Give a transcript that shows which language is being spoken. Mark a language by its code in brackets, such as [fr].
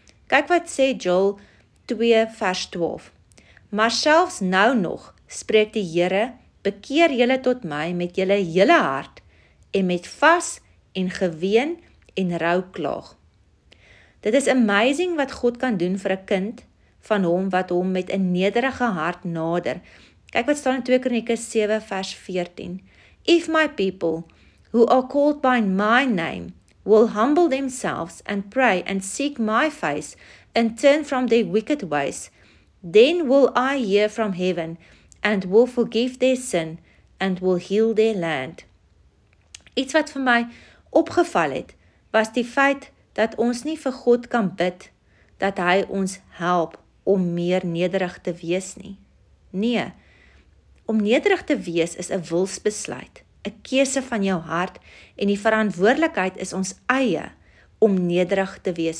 [af] Kyk wat sê Joel 2 vers 12. Maar selfs nou nog, spreek die Here, bekeer julle tot my met julle hele hart en met vas en geween en rouklaag. Dit is amazing wat God kan doen vir 'n kind van hom wat hom met 'n nederige hart nader. Kyk wat staan in 2 Kronieke 7 vers 14. [en] If my people who are called by my name will humble themselves and pray and seek my face and turn from their wicked ways, then will I hear from heaven and will forgive their sin and will heal their land. [af] Iets wat vir my opgeval het, was die feit dat ons nie vir God kan bid dat hy ons help om meer nederig te wees nie. Nee, om nederig te wees is 'n wilsbesluit, 'n keuse van jou hart en die verantwoordelikheid is ons eie om nederig te wees.